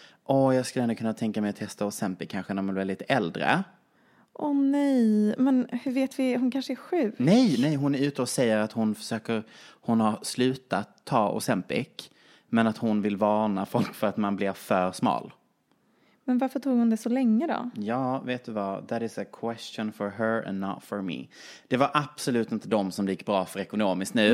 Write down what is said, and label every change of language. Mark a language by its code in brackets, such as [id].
[sv] Åh, jag skulle ändå kunna tänka mig att testa Ozempic kanske när man blir lite äldre. Åh, nej. Men hur vet vi? Hon kanske är sjuk. Nej. Hon är ute och säger att hon försöker... Hon har slutat ta Ozempic. Men att hon vill varna folk för att man blir för smal. Men varför tog hon det så länge då? Ja, vet du vad? [en] That is a question for her and not for me. [sv] Det var absolut inte de som gick bra för ekonomiskt nu.